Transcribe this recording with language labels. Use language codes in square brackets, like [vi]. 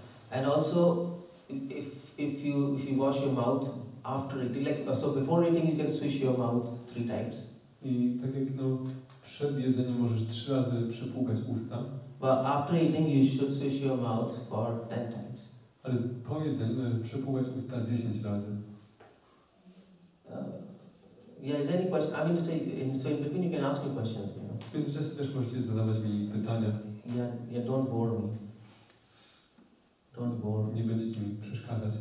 [en] And also if you wash your mouth after eating, like, so before eating you can swish your mouth three times. [pl] I tak jak no, przed jedzeniem możesz trzy razy przepłukać usta. [en] But after eating you should swish your mouth for 10 times. [pl] Ale po jedzeniu przepłukać usta 10 razy. [en] Yeah, is there any question? I mean to say, in, so in between you can ask me questions, you know. [pl] W międzyczasie też możecie zadawać mi pytania. [en] Yeah, yeah, don't bore me. Don't bore. [pl] Nie będziecie mi przeszkadzać.